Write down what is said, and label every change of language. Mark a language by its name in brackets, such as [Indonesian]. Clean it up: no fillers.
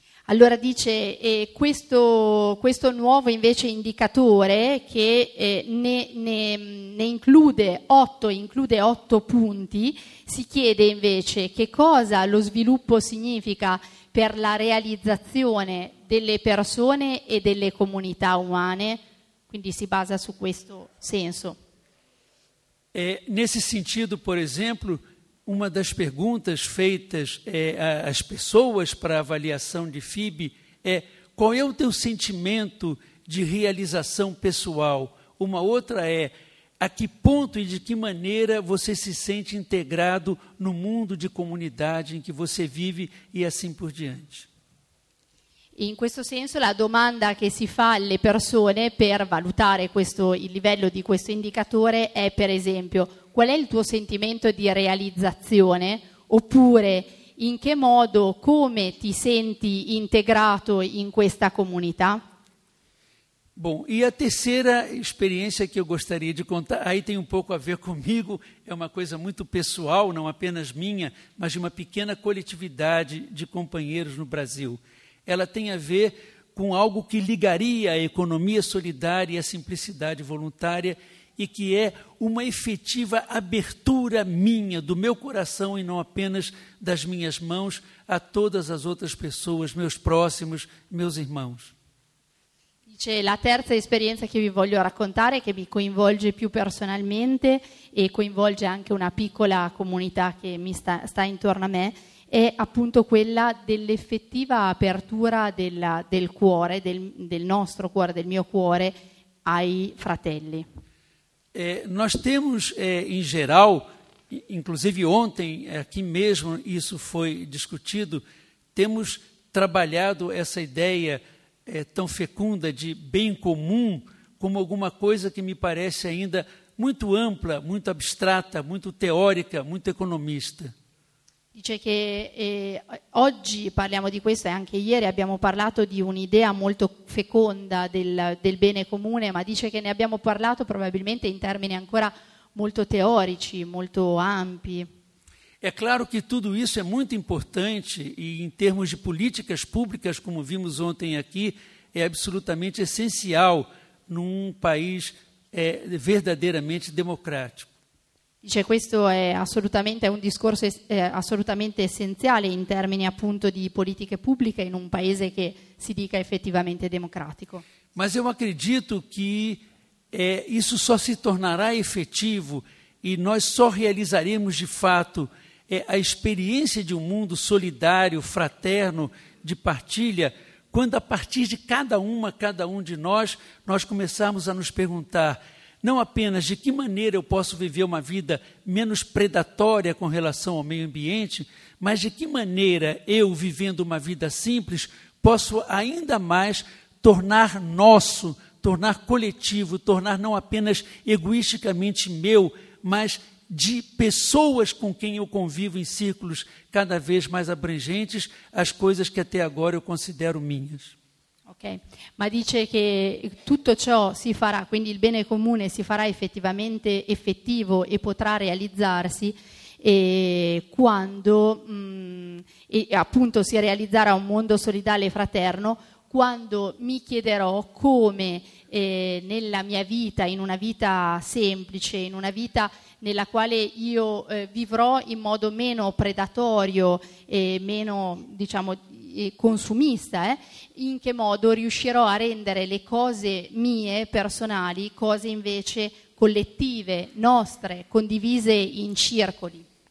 [Italian] Allora dice, questo nuovo invece indicatore che ne include otto punti, si chiede invece che cosa lo sviluppo significa per la realizzazione delle persone e delle comunità umane, quindi si basa su questo senso. [Portuguese] Nesse sentido, por exemplo, uma das perguntas feitas às pessoas para avaliação de FIB é: qual é o teu sentimento de realização pessoal? Uma outra é: a que ponto e de que maneira você se sente integrado no mundo de comunidade em que você vive, e assim por diante. [Italian] In questo senso, la domanda che si fa alle persone per valutare il livello di questo indicatore è, per esempio, qual è il tuo sentimento di realizzazione? Oppure, in che modo, come ti senti integrato in questa comunità? [Portuguese] Bom, e a terceira experiência que eu gostaria de contar, aí tem um pouco a ver comigo, é uma coisa muito pessoal, não apenas minha, mas de uma pequena coletividade de companheiros no Brasil. Ela tem a ver com algo que ligaria a economia solidária e a simplicidade voluntária, e que é uma efetiva abertura minha, do meu coração e não apenas das minhas mãos, a todas as outras pessoas, meus próximos, meus irmãos. [Italian] C'è la terza esperienza che vi voglio raccontare, che mi coinvolge più personalmente e coinvolge anche una piccola comunità che mi sta intorno a me, è appunto quella dell'effettiva apertura del cuore, del nostro cuore, del mio cuore ai fratelli. [Portuguese] Nós temos, em geral, inclusive ontem, aqui mesmo, isso foi discutido, temos trabalhado essa ideia tão fecunda de bem comum como alguma coisa que me parece ainda muito ampla, muito abstrata, muito teórica, muito economista. [Italian] Dice che oggi parliamo di questo e anche ieri abbiamo parlato di un'idea molto feconda del bene comune, ma dice che ne abbiamo parlato probabilmente in termini ancora molto teorici, molto ampi. È chiaro che tutto questo è molto importante e in termini di politiche pubbliche, come [Portuguese] vimos ontem aqui, [Italian] è assolutamente essenziale in un paese [Portuguese] verdadeiramente [Italian] democratico. Dice questo è assolutamente un discorso assolutamente essenziale in termini appunto di politiche pubbliche in un paese che si dica effettivamente democratico. Ma io [Portuguese] acredito che isso só se tornará efetivo e nós só realizaremos de fato a experiência de um mundo solidário, fraterno, de partilha, quando a partir de cada um de nós começarmos a nos perguntar não apenas de que maneira eu posso viver uma vida menos predatória com relação ao meio ambiente, mas de que maneira eu, vivendo uma vida simples, posso ainda mais tornar nosso, tornar coletivo, tornar não apenas egoisticamente meu, mas de pessoas com quem eu convivo em círculos cada vez mais abrangentes, as coisas que até agora eu considero minhas. [Italian] Ok, ma dice che tutto ciò si farà, quindi il bene comune si farà effettivamente effettivo e potrà realizzarsi quando, e appunto si realizzerà un mondo solidale e fraterno, quando mi chiederò come nella mia vita, in una vita semplice, in una vita nella quale io vivrò in modo meno predatorio e meno, diciamo, consumista, in che modo riuscirò a rendere le cose mie, personali, cose invece collettive, nostre, condivise in circoli.